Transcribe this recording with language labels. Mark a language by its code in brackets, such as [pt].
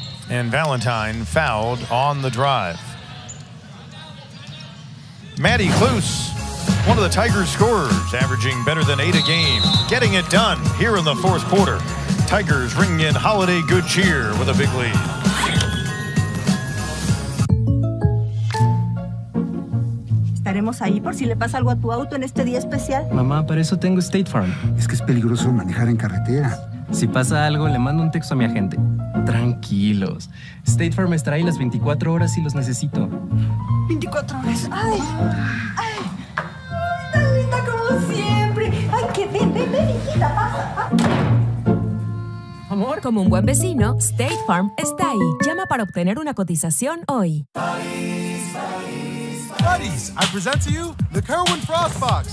[en] And Valentine fouled on the drive. Maddie Kloos, one of the Tigers' scorers, averaging better than 8 a game, getting it done here in the fourth quarter. Tigers ringing in holiday good cheer with a big lead. [es] Estaremos ahí por si le pasa algo a tu auto en este día especial. Mamá, para eso tengo State Farm. Es que es peligroso manejar en carretera. Si pasa algo, le mando un texto a mi agente. Tranquilos. State Farm estará ahí las 24 horas si los necesito. 24 horas. ¡Ay! ¡Ay! Ven, hijita, pasa. Amor, como un buen vecino, State Farm está ahí. Llama para obtener una cotización hoy. [en] Buddies, I present to you the Kerwin Frost Box.